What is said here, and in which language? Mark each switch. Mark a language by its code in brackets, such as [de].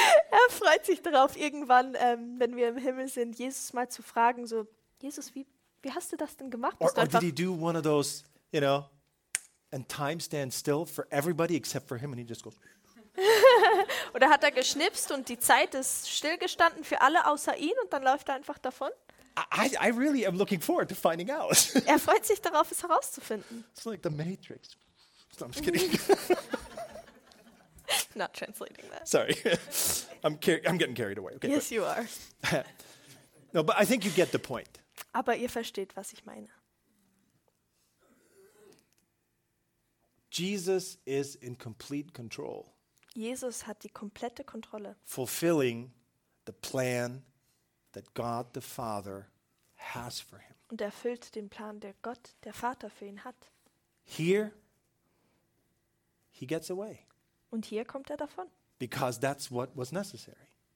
[de] Er freut sich darauf, irgendwann, wenn wir im Himmel sind, Jesus mal zu fragen, so, Jesus, wie hast du das denn gemacht? [en] Or did he do one of those, you know, and time stands still for everybody except for him, and he just goes, [de] Oder hat er geschnipst und die Zeit ist stillgestanden für alle außer ihn und dann läuft er einfach davon? [en] I really am looking forward to finding out. [de] Er freut sich darauf, es herauszufinden. [en] It's like the Matrix. No, I'm just kidding. Not translating that. Sorry. I'm getting carried away. Okay, yes, but. You are. No, but I think you get the point. [de] Aber ihr versteht, was ich meine. [en] Jesus is in complete control. [de] Jesus hat die komplette Kontrolle. [en] Fulfilling the plan that God the Father has for him. [de] Und erfüllt den Plan, der Gott, der Vater für ihn hat. [en] Here he gets away. [de] Und hier kommt er davon. [en] Because that's what was necessary.